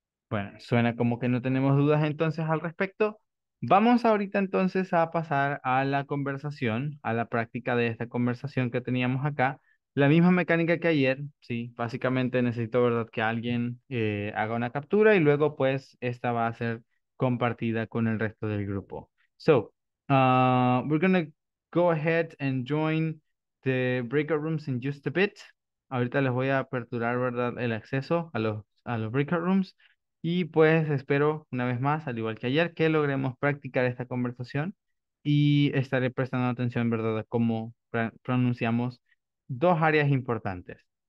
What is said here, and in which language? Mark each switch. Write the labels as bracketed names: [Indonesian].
[Spanish] Bueno, suena como que no tenemos dudas entonces al respecto. Vamos ahorita entonces a pasar a la conversación, a la práctica de esta conversación que teníamos acá. La misma mecánica que ayer, sí, básicamente necesito, ¿verdad?, que alguien haga una captura y luego pues esta va a ser compartida con el resto del grupo. [English] So, we're gonna go ahead and join the breakout rooms in just a bit. [Spanish] Ahorita les voy a aperturar, ¿verdad?, el acceso a los breakout rooms. Y pues espero, una vez más, al igual que ayer, que logremos practicar esta conversación y estaré prestando atención, ¿verdad?, a cómo pronunciamos dos áreas importantes.